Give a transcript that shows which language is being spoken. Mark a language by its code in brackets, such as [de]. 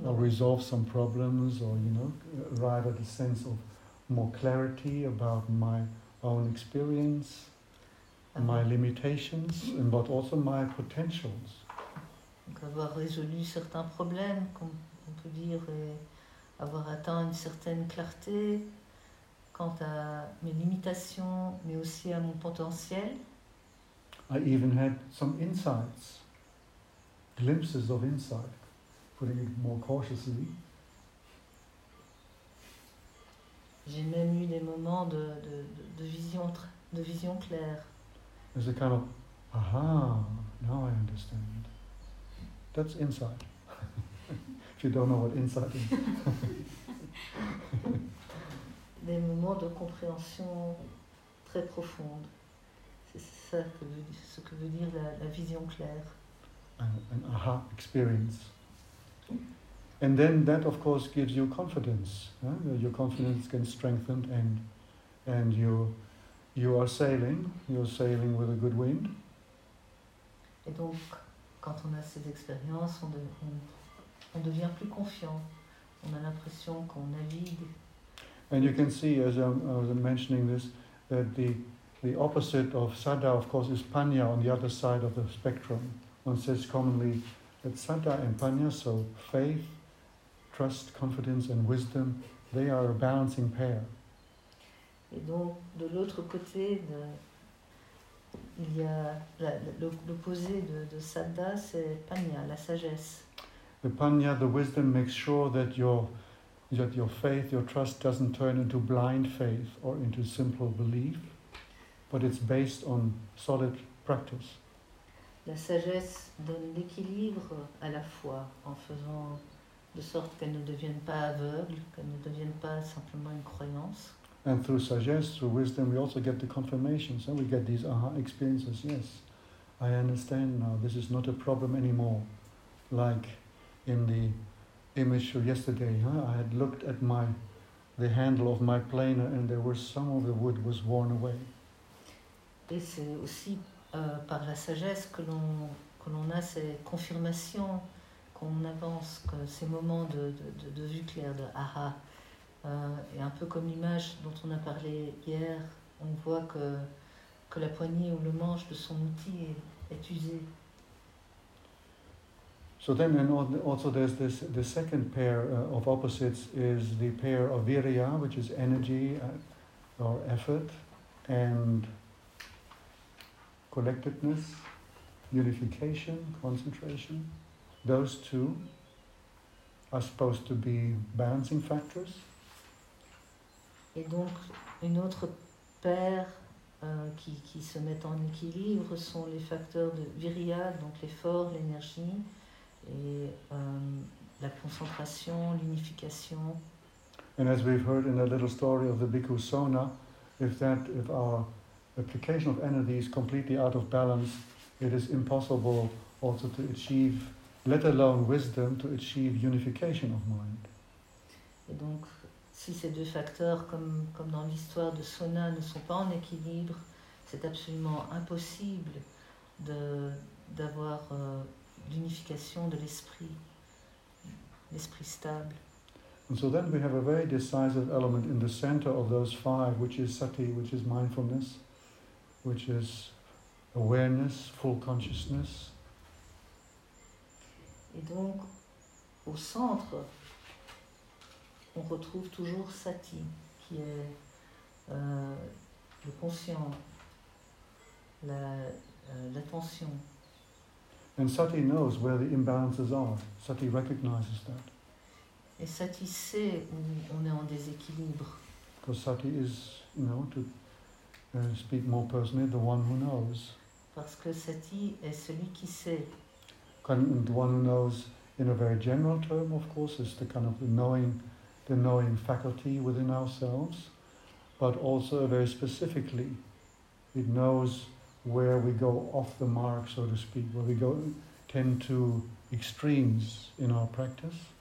[en] Or resolve some problems, or you know, arrive at a sense of more clarity about my own experience, my limitations, but also my potentials. [fr] Donc avoir résolu certains problèmes, comme on peut dire, et avoir atteint une certaine clarté quant à mes limitations, mais aussi à mon potentiel. [en] I even had some insights, glimpses of insight. Putting it more cautiously. [fr] J'ai même eu des moments de vision claire. [en] There's a kind of, aha, now I understand. That's insight. If you don't know what insight is. [fr] Des moments de compréhension très profonde. C'est ça ce que veut dire la vision claire. [en] An aha experience. And then that, of course, gives you confidence. Huh? Your confidence gets strengthened, and you are sailing. You're sailing with a good wind. [fr] Et donc, quand on a ces expériences, on devient plus confiant. On a l'impression qu'on navigue. [en] And you can see, as I was mentioning this, that the opposite of sadha, of course, is panya on the other side of the spectrum. One says commonly that sadha and panya, so faith, trust, confidence and wisdom, they are a balancing pair. [fr] Et donc, de l'autre côté, il y a l'opposé de sadha, c'est panya, la sagesse. [en] The panya, the wisdom, makes sure that your faith, your trust, doesn't turn into blind faith or into simple belief, but it's based on solid practice. [fr] La sagesse donne l'équilibre à la foi en faisant de sorte qu'elle ne devienne pas aveugle, qu'elle ne devienne pas simplement une croyance. [en] And through sagesse, through wisdom, we also get the confirmations, and we get these aha experiences. Yes, I understand now. This is not a problem anymore. Like in the image of yesterday, huh? I had looked at my the handle of my planer, and there were some of the wood was worn away. [fr] Et c'est aussi par la sagesse que l'on a ces confirmations, qu'on avance, que ces moments de vue claire, de aha, et un peu comme l'image dont on a parlé hier, on voit que la poignée ou le manche de son outil est usé. [en] So then, and also there's this, the second pair of opposites is the pair of virya, which is energy or effort, and collectedness, unification, concentration. Those two are supposed to be balancing factors. [fr] Et donc, une autre paire qui se met en équilibre sont les facteurs de virya, donc l'effort, l'énergie. Et la concentration, l'unification. [en] And as we've heard in the little story of the Bhikkhu Sona, if our application of energy is completely out of balance, it is impossible also to achieve, let alone wisdom, to achieve unification of mind. [fr] Et donc, si ces deux facteurs, comme dans l'histoire de Sona, ne sont pas en équilibre, c'est absolument impossible d'avoir d'unification de l'esprit stable. [en] And so then we have a very decisive element in the center of those five, which is sati, which is mindfulness, which is awareness, full consciousness. [fr] Et donc, au centre, on retrouve toujours sati, qui est le conscient, l'attention. [en] And sati knows where the imbalances are. Sati recognizes that. [fr] Et sati sait où on est en déséquilibre. [en] Because sati is, you know, to speak more personally, the one who knows. [fr] Parce que sati est celui qui sait. [en] And the one who knows, in a very general term, of course, is the kind of the knowing faculty within ourselves, but also very specifically, it knows where we go off the mark, so to speak, where we go tend to extremes in our practice.